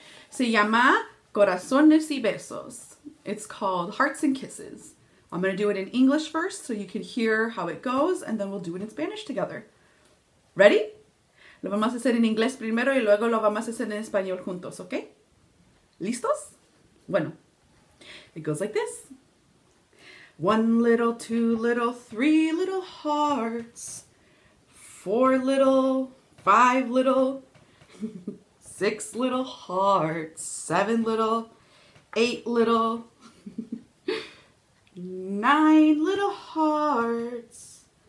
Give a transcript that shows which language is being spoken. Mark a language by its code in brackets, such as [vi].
[es] Se llama Corazones y Besos. [en] It's called Hearts and Kisses. I'm gonna do it in English first so you can hear how it goes and then we'll do it in Spanish together. Ready? [es] Lo vamos a hacer en inglés primero y luego lo vamos a hacer en español juntos, ¿ok? ¿Listos? Bueno, [en] it goes like this. One little, two little, three little hearts. Four little, five little, six little hearts. Seven little, eight little, nine little hearts.